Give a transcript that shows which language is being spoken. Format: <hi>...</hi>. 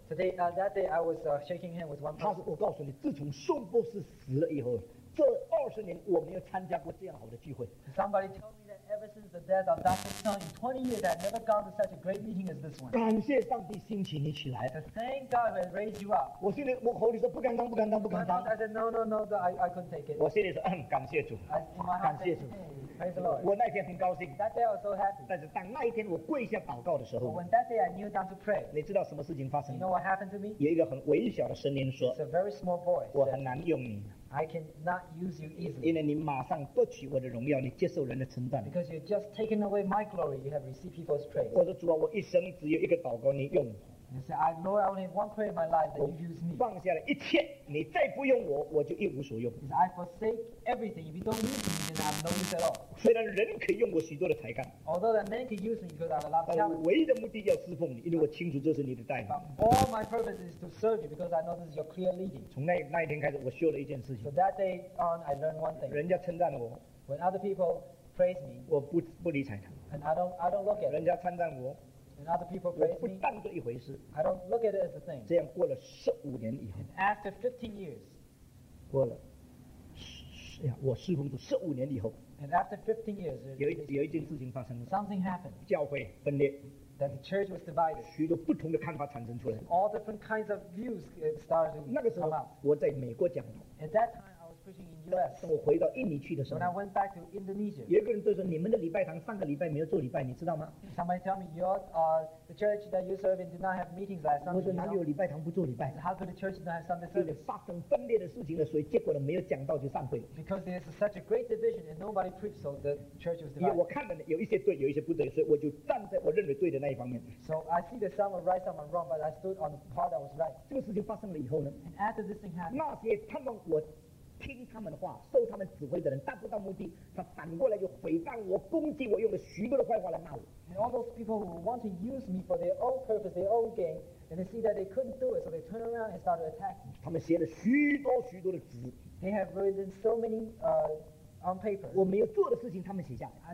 <en>Today, that day I was shaking hands with one person.</en> <zh>他说：“我告诉你，自从宋博士死了以后，这20年我没有参加过这样好的聚会。”</zh> <en>Somebody tell me that ever since the death of Dr. Sun, in 20 years, I've never gone to such a great meeting as this one.</en> <zh>感谢上帝兴起你起来。</zh> <en>So、thank God has raised you up.</en> <zh>我心里我口里说不敢当不敢当不敢当。</zh> <en>I said no, I couldn't take it.</en> <zh>我心里说感谢主。感谢主。我那天很高兴。</zh> <en>That day I was so happy.</en> <zh>但是当那一天我跪下祷告的时候。</zh> <en>When that day I knew down to pray.</en> <zh>你知道什么事情发生</zh> <en>？You know what happened to me?</en> <zh>有一个很微小的声音说。</zh> <en>It's a very small voice.</en> <zh>我很难用你。</zh> <en>I cannot use you easily.</en> <zh>因为你马上夺取我的荣耀，你接受人的称赞。</zh> <en>Because you've just taken away my glory, you have received people's praise.</en> <zh>我说主啊，我一生只有一个祷告，你用。</zh> <en>You say, I know I only have one prayer in my life that you use me.</en> <zh>放下了一切，你再不用我，我就一无所用。</zh> <en>He said, I forsake everything. If you don't use me, then I'm no use at all.</en> <zh>虽然人可以用我许多的才干,</zh> <en>although that man can use me because I have a lot of talent.</en> <zh>唯一的目的要侍奉你, 因为我清楚这是你的带领。</zh> <en>But all my purpose is to serve you because I know this is your clear leading.</en> <zh>从那一天开始，我修了一件事情。</zh> <en>So that day on, I learned one thing.</en> <zh>人家称赞了我,</zh> <en>when other people praise me,</en> <zh>我不理睬他。</zh> <en>And I don't look at it.</en> <zh>人家称赞我,</zh> <en>and other people praise me,</en> <zh>我不当作一回事,</zh> <en>I don't look at it as a thing.</en> <zh>这样过了15年以后,</zh> <en>after 15 years,</en> <zh>过了, 我侍奉主15年以后,</zh> <en>and after 15 years,</en> <zh>有一件事情发生了,</zh> <en>something happened.</en> <zh>教会分裂,</zh> <en>that the church was divided.</en> <zh>许多不同的看法产生出来,</zh> <en>all different kinds of views started to come out.</en> <zh>那个时候我在美国讲道,</zh> <en>at that time, US,</en> <zh>等我回到印尼去的时候,</zh> <en>when I went back to Indonesia,</en> <zh>有一个人都说, 你们的礼拜堂上个礼拜没有做礼拜, 你知道吗?</zh> <en>Somebody tell me, the church that you serve in did not have meetings last Sunday.</en> <zh>我说哪里有礼拜堂不做礼拜?</zh> <en>How could the church not have Sunday service?</en> <zh>发生分裂的事情了, 所以结果没有讲到就散会了。</zh> <en>Because there is such a great division and nobody preached, so the church was divided.</en> <zh>因为我看了, 有一些对, 有一些不对, 所以我就站在我认为对的那一方面。</zh> <en>So I see that some are right, some are wrong, but I stood on the part that was right.</en> <zh>这个事情发生了以后呢,</zh> <en>and after this thing happened,</en> <zh>那些他们我, 听他们的话，受他们指挥的人达不到目的，他反过来就诽谤我，攻击我，用了许多的坏话来骂我。</zh> <en>And all those people who want to use me for their own purpose, their own gain, and they see that they couldn't do it, so they turn around and start to attack me.</en> <zh>他们写了许多许多的纸。</zh> <en>They have written so many on paper.</en> <zh>我没有做的事情，他们写下来。</zh>